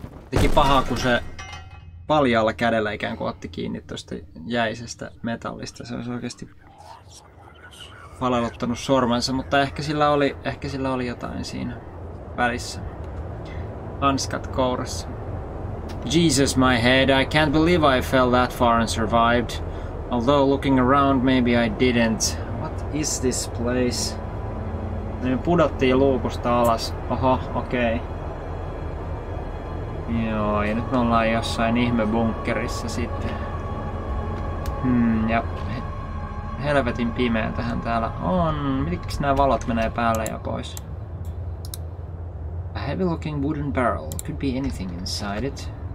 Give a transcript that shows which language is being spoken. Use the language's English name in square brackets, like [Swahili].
[Finnish] Teki pahaa, kun se paljalla kädellä ikään kuin otti kiinni tuosta jäisestä metallista. Se olisi oikeasti palauttanut sormensa, mutta ehkä sillä oli jotain siinä välissä. Hanskat kourassa. [English] Jesus, my head, I can't believe I fell that far and survived. Although looking around, maybe I didn't. What is this place? [Finnish] Me pudottiin luukusta alas. Oho, okei. Okay. Joo, ja nyt me ollaan jossain ihmebunkkerissa sitten. Ja helvetin pimeä tähän täällä on. Miksi nämä valot menee päälle ja pois? [English] A heavy looking wooden barrel. Could be anything inside it.